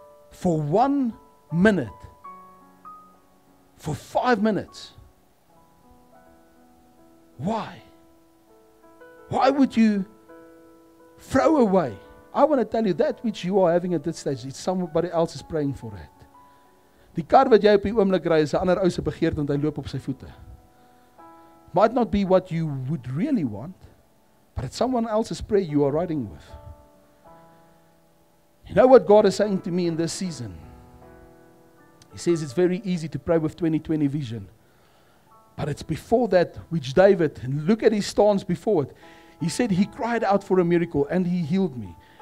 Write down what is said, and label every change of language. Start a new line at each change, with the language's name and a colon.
English: For 1 minute. For 5 minutes. Why? Why would you throw away? I want to tell you, that which you are having at this stage, it's somebody else is praying for it.
Afrikaans: Die kar wat jy op die oomblik ry is 'n ander ou se begeerte, want hy loop op sy voete.
English: Might not be what you would really want, but it's someone else's prayer you are riding with. You know what God is saying to me in this season? He says it's very easy to pray with 2020 vision, but it's before that which David, and look at his stance before it. He said he cried out for a miracle and he healed me.